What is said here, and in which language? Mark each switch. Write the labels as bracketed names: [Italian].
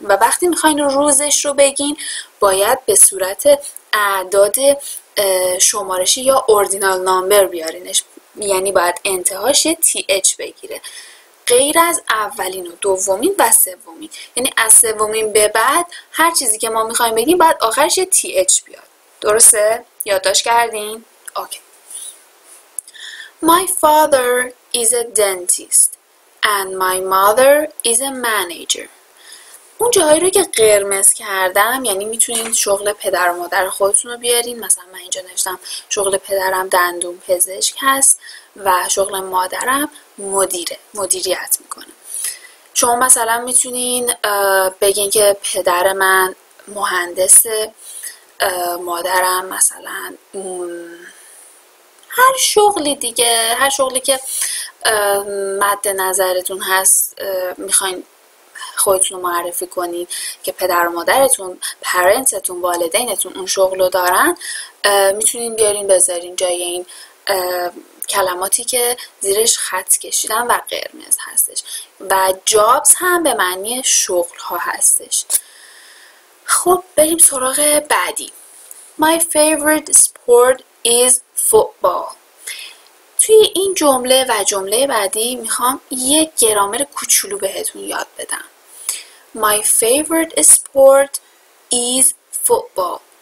[Persian] و وقتی میخواین روزش رو بگین باید به صورت اعداد شمارشی یا ordinal number بیارینش، یعنی باید انتهاش TH بگیره غیر از اولین و دومین و سومین. یعنی از سومین به بعد هر چیزی که ما میخواییم بگیم باید آخرش TH بیاد. درسته؟ یادداشت کردین؟ Okay. [English] My father is a dentist and my mother is a manager. [Persian] اون جایی رو که قرمز کردم یعنی میتونین شغل پدر و مادر خودتون رو بیارین. مثلا من اینجا نوشتم شغل پدرم دندون پزشک هست و شغل مادرم مدیره، مدیریت میکنه. شما مثلا میتونین بگین که پدر من مهندسه، مادرم مثلا هر شغلی دیگه، هر شغلی که مد نظرتون هست میخواین خودتون رو معرفی کنین که پدر و مادرتون، پرنتتون، والدینتون اون شغل رو دارن، میتونین بیارین بذارین جای این کلماتی که زیرش خط کشیدن و قرمز هستش. و جابز هم به معنی شغل ها هستش. خب بریم سراغ بعدی. [English] My favorite sport is football. [Persian] توی این جمله و جمله بعدی میخوام یک گرامر کوچولو بهتون یاد بدم. [English] My favorite sport is football.